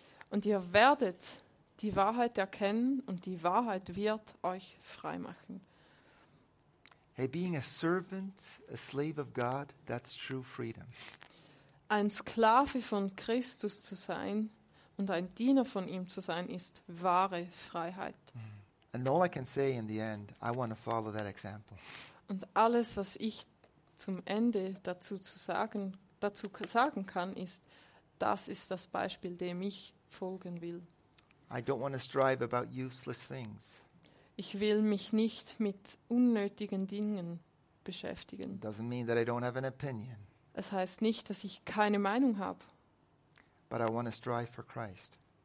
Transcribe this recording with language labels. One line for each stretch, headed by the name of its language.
German: Und ihr werdet die Wahrheit erkennen, und die Wahrheit wird euch frei machen.
English: Hey, being a servant, a slave of God, that's true freedom.
German: Ein Sklave von Christus zu sein und ein Diener von ihm zu sein ist wahre Freiheit.
English: And all I can say in the end, I want to follow that example.
German: Und alles, was ich zum Ende dazu sagen kann, ist, das ist das Beispiel, dem ich folgen will.
English: I don't want to strive about useless things.
German: Ich will mich nicht mit unnötigen Dingen beschäftigen.
English: Doesn't mean that I don't have an opinion.
German: Es heißt nicht, dass ich keine Meinung habe.
English: But I want to strive for Christ.